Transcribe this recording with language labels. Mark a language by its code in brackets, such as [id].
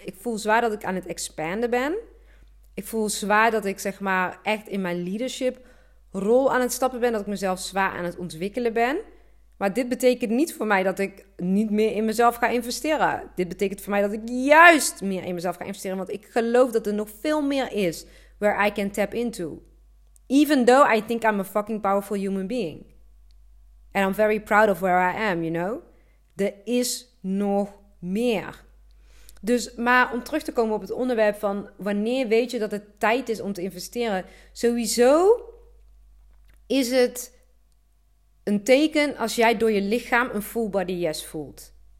[nl] Ik voel zwaar dat ik aan het expanden ben. Ik voel zwaar dat ik zeg maar echt in mijn leadership rol aan het stappen ben. Dat ik mezelf zwaar aan het ontwikkelen ben. Maar dit betekent niet voor mij dat ik niet meer in mezelf ga investeren. Dit betekent voor mij dat ik juist meer in mezelf ga investeren. Want ik geloof dat er nog veel meer is [en] where I can tap into. Even though I think I'm a fucking powerful human being. And I'm very proud of where I am, you know. [nl] Er is nog meer. Dus, maar om terug te komen op het onderwerp van wanneer weet je dat het tijd is om te investeren. Sowieso is het een teken als jij door je lichaam een full body yes voelt.